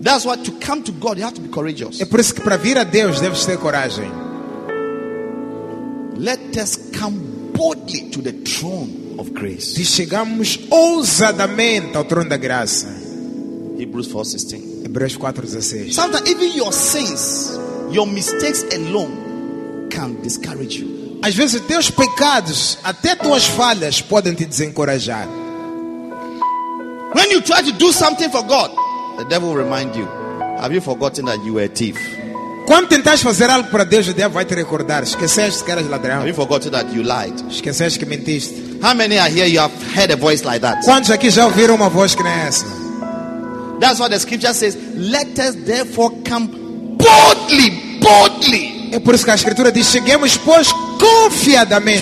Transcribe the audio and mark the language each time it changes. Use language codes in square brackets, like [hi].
[en] That's why to come to God, you have to be courageous. [pt] É por isso que para vir a Deus, deve ter coragem. [en] Let us come boldly to the throne of grace. [pt] De chegarmos ousadamente ao trono da graça. [en] Hebrews 4:16. [pt] Hebreus 4:16. [en] Sometimes even your sins, your mistakes alone can discourage you. [pt] Às vezes teus pecados, até tuas falhas podem te desencorajar. [en] When you try to do something for God, the devil will remind you, have you forgotten that you were a thief? [pt] Quando tentas fazer algo para Deus, o diabo vai te recordar. Esqueceste que eras ladrão. [en] Have you forgotten that you lied? [pt] Esqueceste que mentiste. [en] How many are here you have heard a voice like that? [pt] Quantos aqui já ouviram uma voz que não é essa? [en] That's what the scripture says, let us therefore come boldly, boldly. [pt] É por isso que a escritura diz, cheguemos pois confiadamente